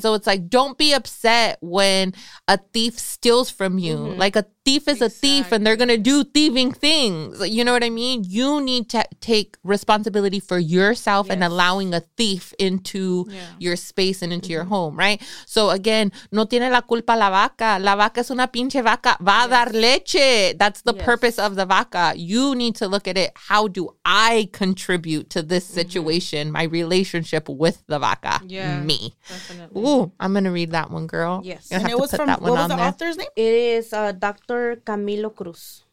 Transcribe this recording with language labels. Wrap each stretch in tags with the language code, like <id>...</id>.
<en>So it's like, don't be upset when a thief steals from you. Mm-hmm. Like, a thief is a thief and they're going to do thieving things. You know what I mean? You need to take responsibility for yourself and allowing a thief into your space and into your home, right?</en> <es>So again, no tiene la culpa la vaca. La vaca es una pinche vaca. Va a dar leche.</es> <en>That's the purpose of the vaca. You need to look at it. How do I contribute to this situation, my relationship with the vaca? Yeah, me. Definitely. Ooh, I'm going to read that one, girl. Yes. And it was from, what was the author's name? It is Dr. Camilo Cruz.</en>